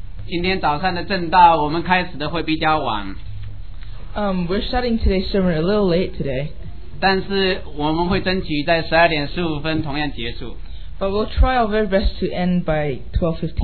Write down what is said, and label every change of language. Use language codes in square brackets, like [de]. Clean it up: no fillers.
[en] We're starting today's sermon a little late today. [zh] 但是我们会争取在12点15分同样结束。 [en] But we'll try our very best to end by 12:15.